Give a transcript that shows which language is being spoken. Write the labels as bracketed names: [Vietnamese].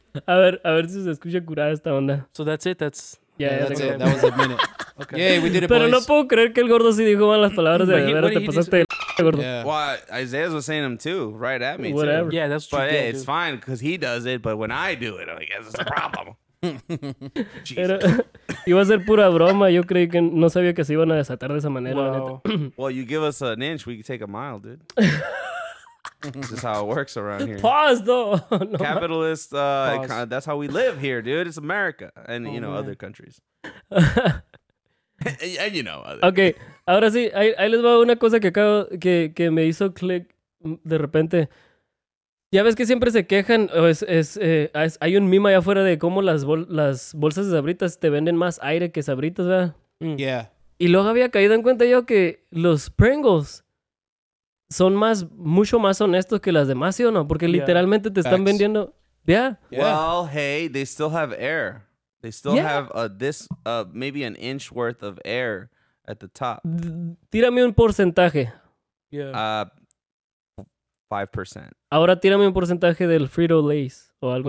[Spanish] A ver si se escucha curada esta onda. [English] So that's it, that's... Yeah, that's it, that was a minute. Okay. Yeah, we did it, [Spanish] pero No puedo creer que el Gordo sí dijo malas palabras de verdad, te pasaste el Gordo. [English] Yeah. Well, Isaiah was saying them too, right at me. Whatever. Too. Yeah, that's true. But hey, it's fine, because he does it, but when I do it, I guess it's a problem. [Spanish] Pero, iba a ser pura broma, yo creí que no sabía que se iban a desatar de esa manera. [English] Well, [Spanish] la neta. [English] Well, you give us an inch, we can take a mile, dude. This is how it works around here. Pause, though. No, capitalist, pause. That's how we live here, dude. It's America and, oh, you know, man. Other countries. and, you know, other. [Spanish] Okay, ahora sí, ahí les va una cosa que acabo, que me hizo click de repente. Ya ves que siempre se quejan, es hay un meme allá afuera de cómo las bolsas de Sabritas te venden más aire que Sabritas, ¿verdad? [English] Mm. Yeah. [Spanish] Y luego había caído en cuenta yo que los Pringles... son más, mucho más honestos que las demás, ¿sí o no? Porque literalmente te están vendiendo... Yeah. [English] Well, hey, they still have air. They still have maybe an inch worth of air at the top. [Spanish] Tírame un porcentaje. [English] Yeah. 5%. [Spanish] Ahora tírame un porcentaje del Frito-Lays o algo